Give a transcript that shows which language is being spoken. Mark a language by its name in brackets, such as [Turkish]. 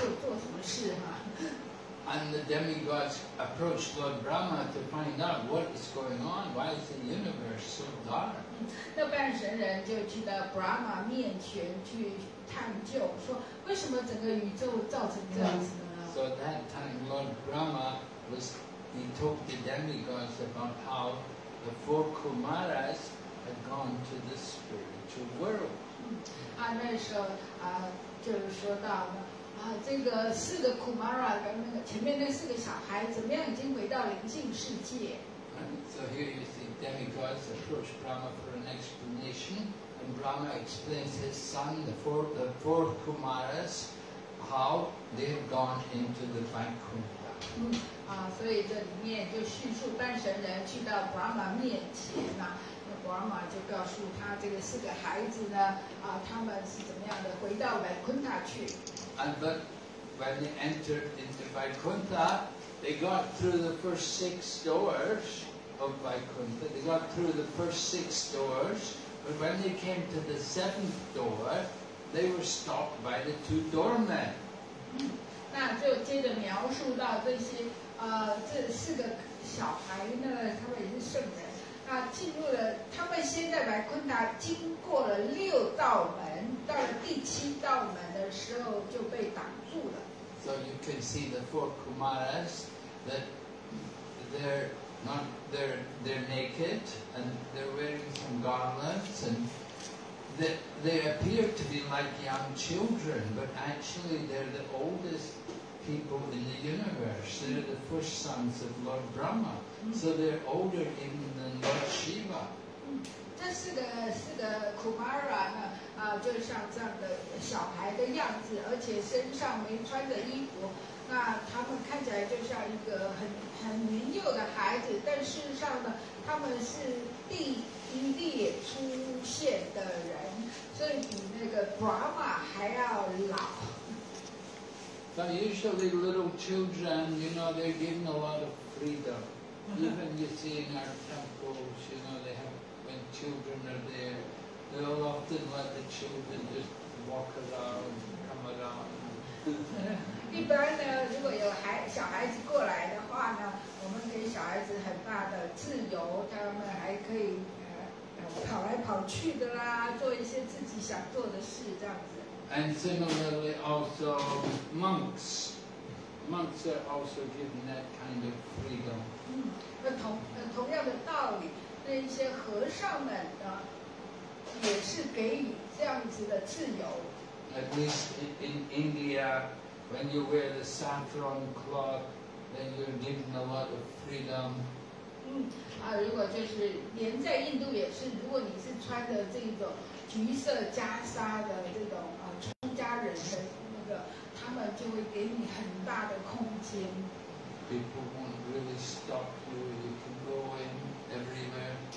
[English] And the demigods approached Lord Brahma to find out what is going on. Why is the universe so dark? [Chinese] 那半神人就去到 Brahma 面前去探究，说为什么整个宇宙造成这样子呢？ [English] So at that time, Lord Brahma was. He told the demigods about how the four Kumaras had gone to the spiritual world. [Chinese] 那时候啊，就是说到啊，这个四个 Kumara 的那个前面那四个小孩，怎么样已经回到灵性世界 [English] ？And so here you see demigods approach Brahma for an explanation, and Brahma explains his son, the four Kumaras, how they have gone into the Vaikuntha. [Chinese] 嗯啊，所以这里面就叙述半神人去到 Brahma 面前呐、啊，那 Brahma 就告诉他这个四个孩子呢啊，他们是怎么样的回到 Vaikuntha 去。 [English] And but when they entered into Vaikuntha, they got through the first six doors of Vaikuntha. They got through the first six doors, but when they came to the seventh door, they were stopped by the two doormen.、嗯 [Chinese] 那就接着描述到这些这四个小孩呢，他们也是圣人，那进入了，他们先在白昆达经过了六道门，到了第七道门的时候就被挡住了。 [English] So you can see the four Kumaras that they're naked and they're wearing some garlands and they appear to be like young children, but actually they're the oldest. People in the universe, they're the first sons of Lord Brahma, so they're older even than Lord Shiva. [Chinese] 这四个 Kumara 呢，啊，就像这样的小孩的样子，而且身上没穿的衣服，那他们看起来就像一个很年幼的孩子，但事实上呢，他们是第一列出现的人，所以比那个 Brahma 还要老。 [English] But usually little children, you know, they're given a lot of freedom. Even you see in our temples, you know, they have, when children are there, they'll often let the children just walk around, come around. [Chinese] 一般呢，如果有小孩子过来的话呢，我们给小孩子很大的自由，他们还可以跑来跑去的啦，做一些自己想做的事，这样子。 [English] And similarly, also monks. Monks are also given that kind of freedom. 嗯， [Chinese] 同样的道理，那一些和尚们呢，也是给予这样子的自由。 [English] At least in India, when you wear the saffron cloth, then you're given a lot of freedom. [Chinese] 嗯，啊，如果就是连在印度也是，如果你是穿的这种橘色袈裟的这种。 [English] People won't really stop you. You can go in everywhere.